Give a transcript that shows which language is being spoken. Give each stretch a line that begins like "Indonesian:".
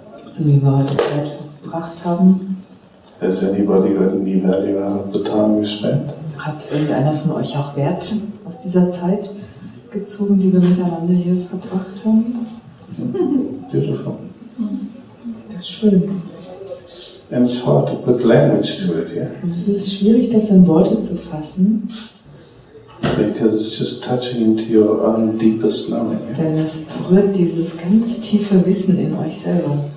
German: so wie wir heute Zeit verbracht haben,
English: has anybody got any value out of the time we spent?
German: Hat irgendeiner von euch auch Wert aus dieser Zeit gezogen, die wir miteinander hier verbracht haben?
English: Beautiful.
German: Das ist schön.
English: And it's hard to put language to it, yeah?
German: Und es ist schwierig, das in Worte zu fassen.
English: Because it's just touching into your own deepest knowing.
German: Denn es berührt dieses ganz tiefe Wissen in euch selber.